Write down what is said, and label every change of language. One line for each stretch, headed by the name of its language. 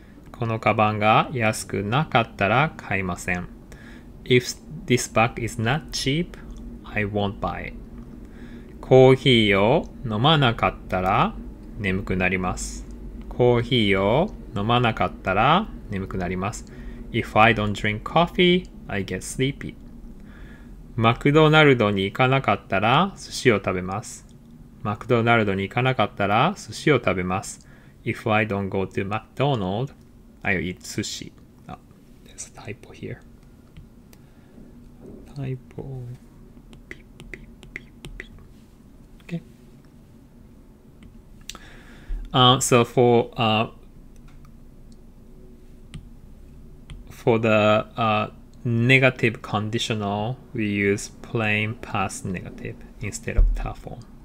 Japanese: このカバンが安くなかったら買いません。
English: If this bag is not cheap, I won't buy it.
Japanese: コーヒーを飲まなかったら眠くなります。コーヒーを飲まなかったら眠くなります。
English: If I don't drink coffee, I get sleepy.
Japanese: マクドナルドに行かなかったら寿司を食べます。マクドナルドに行かなかったら寿司を食べます。
English: If I don't go to McDonald's, I'll eat sushi. There's a typo here. Typo. Beep, beep, beep, beep. Okay. So for the negative conditional, we use plain past negative instead of ta form.